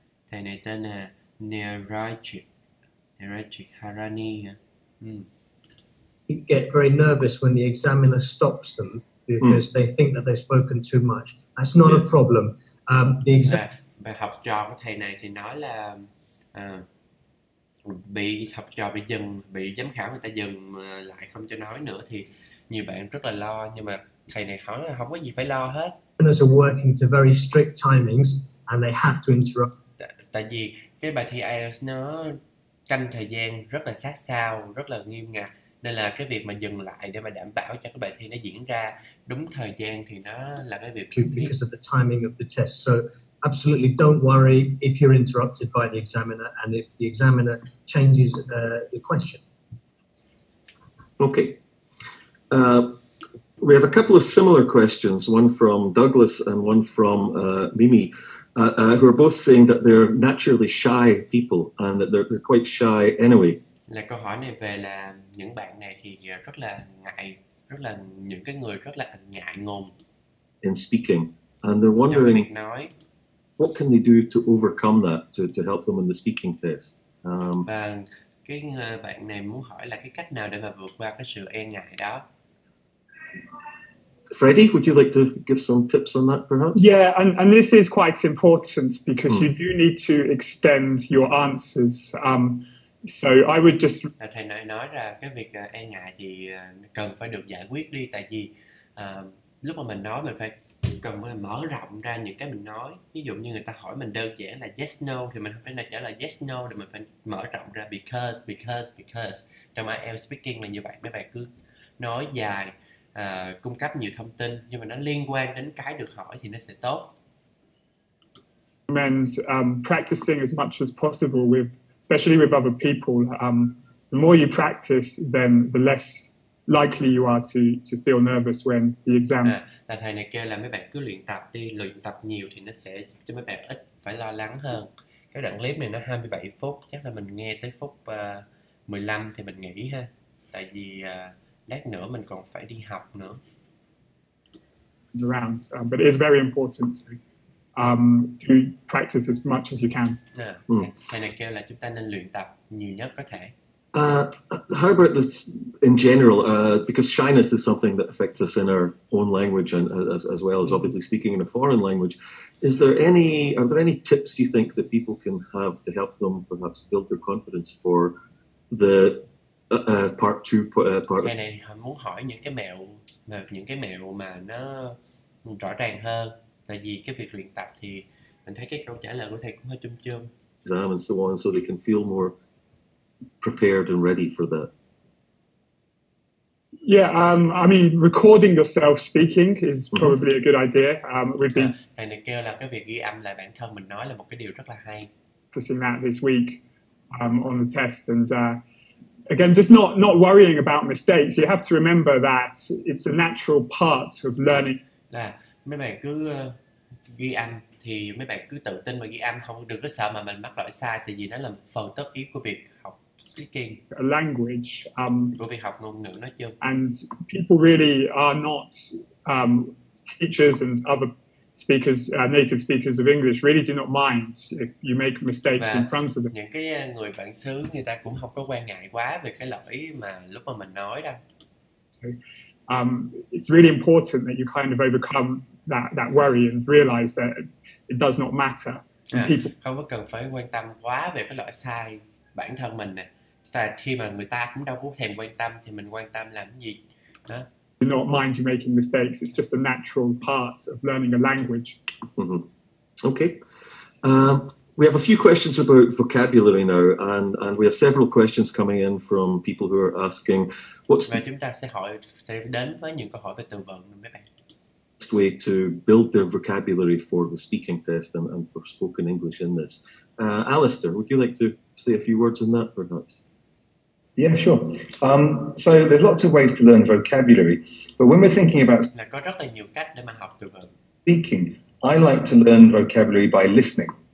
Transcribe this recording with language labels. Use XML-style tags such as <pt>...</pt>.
<vi>Thầy này tên là Nirajik Harani.</vi> <en>You get very nervous when the examiner stops them because they think that they've spoken too much. That's not a problem.</en> <vi>Bài học trò của thầy này thì nói là bị học trò bị dừng, bị giám khảo người ta dừng lại không cho nói nữa thì nhiều bạn rất là lo, nhưng mà thầy này hỏi là không có gì phải lo hết.</vi> <en>Examiners are working to very strict timings and they have to interrupt.</en> <vi>Tại vì cái bài thi IELTS nó canh thời gian rất là sát sao, rất là nghiêm ngặt. Nên là cái việc mà dừng lại để mà đảm bảo cho cái bài thi nó diễn ra đúng thời gian thì nó là cái việc</vi> <en>because of the timing of the test. So absolutely don't worry if you're interrupted by the examiner and if the examiner changes the question. Okay. We have a couple of similar questions, one from Douglas and one from Mimi, who are both saying that they're naturally shy people and that they're quite shy anyway.</en> <vi>Là câu hỏi này về là những bạn này thì rất là ngại, rất là những cái người rất là ngại ngùng.</vi> <en>In speaking. And they're wondering,</en> <vi>trong việc nói,</vi> <en>what can they do to overcome that, to help them in the speaking test?</en> <vi>Và cái bạn này muốn hỏi là cái cách nào để mà vượt qua cái sự e ngại đó.</vi> <en>Freddie, would you like to give some tips on that, perhaps? Yeah, and this is quite important because you do need to extend your answers. So I would just.</en> <vi>Thầy nói ra cái việc e ngại thì cần phải được giải quyết đi, tại vì lúc mà mình nói mình phải cần phải mở rộng ra những cái mình nói. Ví dụ như người ta hỏi mình đơn giản là</vi> <en>yes no</en> <vi>thì mình không phải là trả lời yes no, thì mình phải mở rộng ra because. Trong IELTS speaking là như vậy, mấy bạn cứ nói dài. Cung cấp nhiều thông tin nhưng mà nó liên quan đến cái được hỏi thì nó sẽ tốt.</vi> <en>Recommend practicing as much as possible with, especially with other people. The more you practice, then the less likely you are to feel nervous when the exam.</en> <vi>Là thầy này kêu là mấy bạn cứ luyện tập đi, luyện tập nhiều thì nó sẽ cho mấy bạn ít phải lo lắng hơn. Cái đoạn clip này nó 27 phút, chắc là mình nghe tới phút 15 thì mình nghỉ ha. Tại vì lát nữa mình còn phải đi học nữa.</vi> <en>Around, but it is very important to practice as much as you can.</en> <vi>Thầy này kêu là chúng ta nên luyện tập nhiều nhất có thể.</vi> <en>How about this in general? Because shyness is something that affects us in our own language and as well as obviously speaking in a foreign language. Are there any tips you think that people can have to help them perhaps build their confidence for the part two, part.</en> <vi>Thầy này muốn hỏi những cái mẹo mà nó rõ ràng hơn. Tại vì cái việc luyện tập thì mình thấy cái câu trả lời của thầy cũng hơi chung chung.</vi> <en>Exam and so on, so they can feel more prepared and ready for that. I mean, recording yourself speaking is probably a good idea.</en> <vi>Thầy này kêu là cái việc ghi âm lại bản thân mình nói là một cái điều rất là hay.</vi> <en>Practicing that this week on the test and. Again, just not worrying about mistakes. You have to remember that it's a natural part of learning.</en> <vi>Là mấy bạn cứ ghi âm thì mấy bạn cứ tự tin mà ghi âm, không đừng có sợ mà mình mắc lỗi sai, tại vì nó là phần tất yếu của việc học speaking.</vi> <en>A language.</en> <vi>Của việc học ngôn ngữ nói chung.</vi> <en>And people really are not teachers and other speakers, native speakers of English really do not mind if you make mistakes in front of them.</en> <vi>Những cái người bản xứ người ta cũng không có quan ngại quá về cái lỗi mà lúc mà mình nói đâu.</vi> <en>It's really important that you kind of overcome that worry and realize that it does not matter.</en> <vi>Không có cần phải quan tâm quá về cái lỗi sai bản thân mình nè. Tại khi mà người ta cũng đâu có thèm quan tâm thì mình quan tâm làm gì? Đó.</vi> <en>Do not mind you making mistakes. It's just a natural part of learning a language. Mm-hmm. Okay. We have a few questions about vocabulary now, and we have several questions coming in from people who are asking, what's</en> <vi>the chúng ta sẽ đến với những câu hỏi về từ vựng, mấy bạn.</vi> <en>Best way to build their vocabulary for the speaking test and for spoken English in this. Alistair, would you like to say a few words on that, perhaps? Yeah, sure. So there's lots of ways to learn vocabulary, but when we're thinking about speaking, I like to learn vocabulary by listening.</en>